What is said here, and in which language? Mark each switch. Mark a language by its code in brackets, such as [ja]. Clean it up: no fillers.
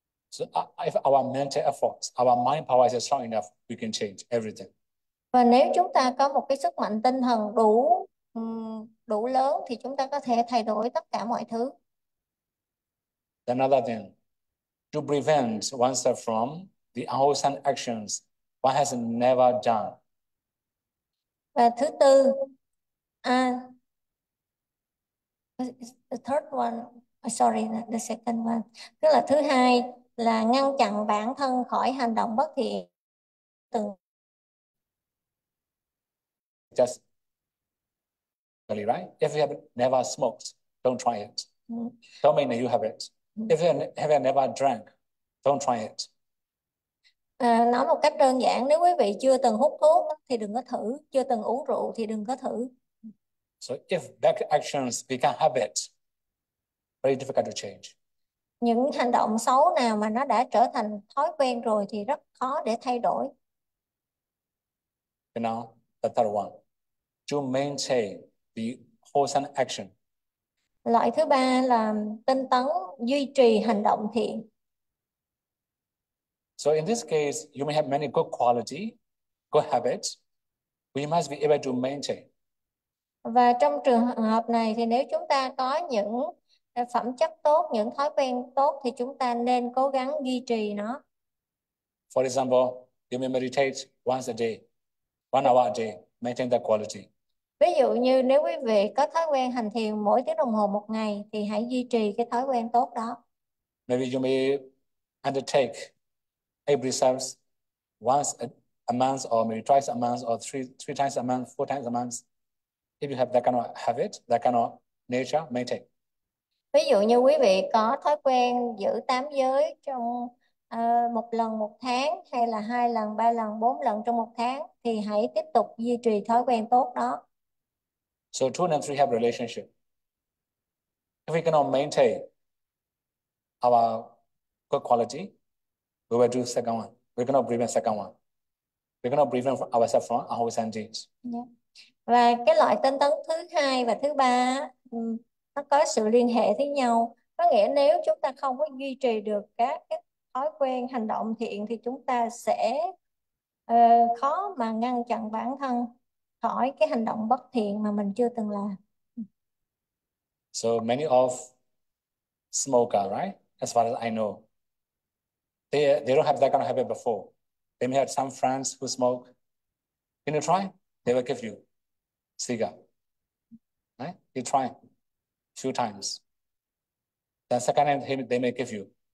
[en] So if our mental efforts, our mind power is strong enough, we can change everything. [vi] Và nếu chúng ta có một cái sức mạnh tinh thần đủ đủ lớn thì chúng ta có thể thay đổi tất cả mọi thứ. [en] Another thing, to prevent oneself from the unwholesome actions one has never done. [vi] Và thứ tư, [en] the second one, [vi] tức là thứ hai là ngăn chặn bản thân khỏi hành động bất thiện từng. [en] Just right. If you have never smoked, don't try it. Don't mean that you have it. If you never drank, don't try it. [vi] Nói một cách đơn giản, nếu quý vị chưa từng hút thuốc thì đừng có thử, chưa từng uống rượu thì đừng có thử. [en] So if bad actions become habits, very difficult to change. [vi] Những hành động xấu nào mà nó đã trở thành thói quen rồi thì rất khó để thay đổi. [en] You know, the third one. To maintain the wholesome action. [vi] Loại thứ ba là tinh tấn duy trì hành động thiện. [en] So in this case, you may have many good quality, good habits. We must be able to maintain. [vi] Và trong trường hợp này thì nếu chúng ta có những phẩm chất tốt, những thói quen tốt thì chúng ta nên cố gắng duy trì nó. [en] For example, you may meditate once a day, 1 hour a day, maintain that quality. [vi] Ví dụ như nếu quý vị có thói quen hành thiền mỗi tiếng đồng hồ một ngày thì hãy duy trì cái thói quen tốt đó. [en] Maybe you may undertake 8 precepts once a month, or maybe twice a month, or three times a month, 4 times a month. If you have that kind of habit, that kind of nature, maintain. [vi] Ví dụ như quý vị có thói quen giữ 8 giới trong một lần một tháng, hay là 2 lần, 3 lần, 4 lần trong một tháng thì hãy tiếp tục duy trì thói quen tốt đó. [en] So 2 and 3 have relationship. If we cannot maintain our good quality, we will do second one. We cannot prevent second one. We cannot prevent ourselves from our sin deeds. [vi] Và cái loại tinh tấn thứ hai và thứ ba nó có sự liên hệ với nhau, có nghĩa nếu chúng ta không có duy trì được các thói quen hành động thiện thì chúng ta sẽ khó mà ngăn chặn bản thân khỏi cái hành động bất thiện mà mình chưa từng làm. [en] So many of smoker, right? As far as I know, they don't have that kind of habit before. They may have some friends who smoke. Can you try? They will give you cigar, right? You try a few times. Then second time they may give you.